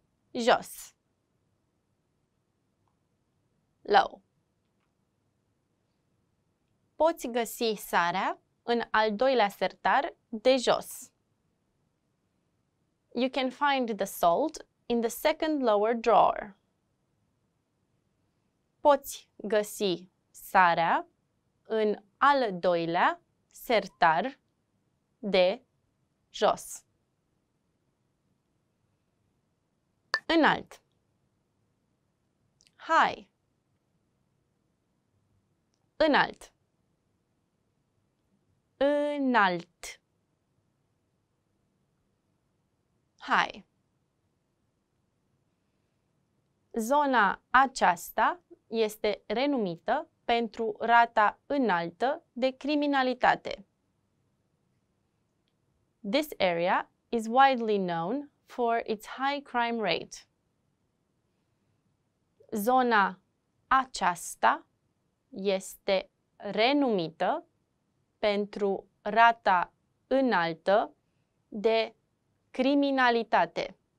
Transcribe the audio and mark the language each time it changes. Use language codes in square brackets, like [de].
[ro] Jos. [en] Low. [ro] Poți găsi sarea în al doilea sertar de jos. [en] You can find the salt in the second lower drawer. [ro] Poți găsi sarea în al doilea sertar de jos. Înalt. High. Înalt. Înalt. [en] High. [ro] Zona aceasta este renumită pentru rata înaltă de criminalitate. [en] This area is widely known for its high crime rate. [ro] Zona aceasta este renumită pentru rata înaltă de criminalitate.